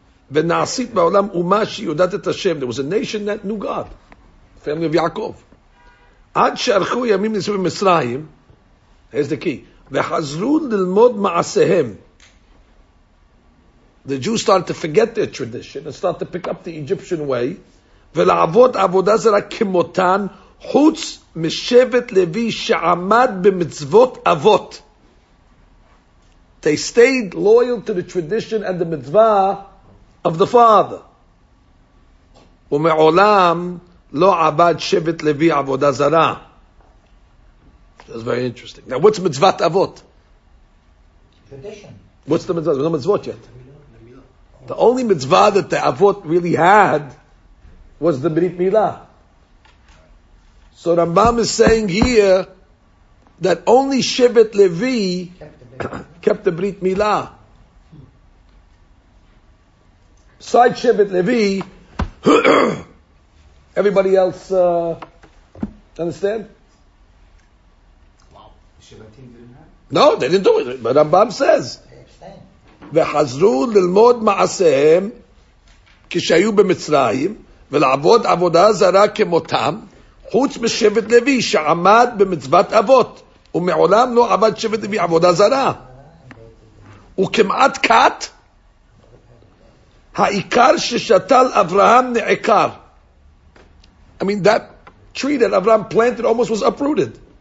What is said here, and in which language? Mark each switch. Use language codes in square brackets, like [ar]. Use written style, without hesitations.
[en] There was a nation that knew God, family of Yaakov. Here's the key. The Jews started to forget their tradition and started to pick up the Egyptian way. [he] ולעבוד עבודה זרה כמותן, חוץ משבט לוי שעמד במצוות אבות. [en] They stayed loyal to the tradition and the mitzvah of the father. [he] ומעולם לא עבד שבט לוי עבודה זרה. [en] That's very interesting. Now, what's mitzvot אבות? Tradition. What's the mitzvah? There's no mitzvot yet. The only mitzvah that the avot really had was the Brit Milah. So Rambam is saying here that only Shevet Levi kept the Brit Milah. Besides Shevet Levi, everybody else, understand? Wow, the Shevetim didn't have it? No, they didn't do it, but Rambam says. They abstained. [he] V'chazru l'lmod ma'aseim kishayu b'mitzrayim. ולעבוד עבודה זרה כמותם, חוץ משבט לוי שעמד במצוות אבות, ומעולם לא עבד שבט לוי עבודה זרה. וכמעט קט, העיקר ששתל אברהם נעקר. [en] I mean, that tree that Abraham planted almost was uprooted.